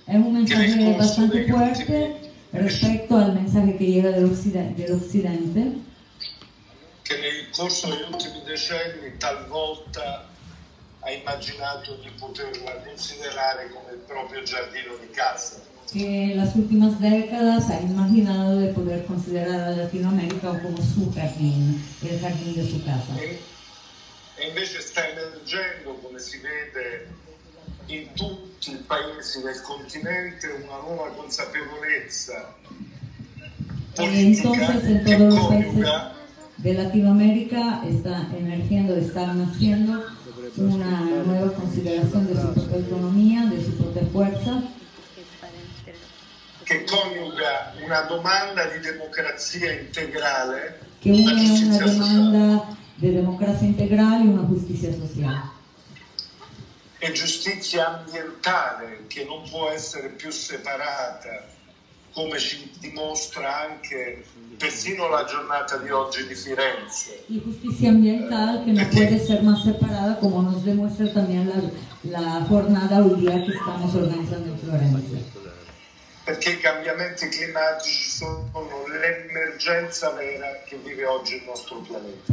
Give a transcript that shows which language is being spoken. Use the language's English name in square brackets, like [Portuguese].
[Italian] È un messaggio abbastanza forte rispetto al messaggio che arriva dell'Occidente, che nel corso degli ultimi decenni talvolta ha immaginato di poterla considerare come il proprio giardino di casa. [Spanish] que en las últimas décadas ha imaginado de poder considerar a Latinoamérica como su jardín, el jardín de su casa. [Italian] E invece sta emergendo, come si vede in tutti i paesi del continente, una nuova consapevolezza politica e coniuga. [Spanish] De Latinoamérica está emergiendo, está naciendo una nueva consideración de su propia economía, de su propia fuerza. Que coniuga una demanda de democracia integral. Que une una demanda de democracia integral y una justicia social. Y justicia ambiental, que no puede ser más separada. [Italian] Come ci dimostra anche persino la giornata di oggi di Firenze. La giustizia ambientale che non può essere più separata, come ci dimostra anche la giornata odierna che stiamo organizzando in Firenze. Perché i cambiamenti climatici sono l'emergenza vera che vive oggi il nostro pianeta.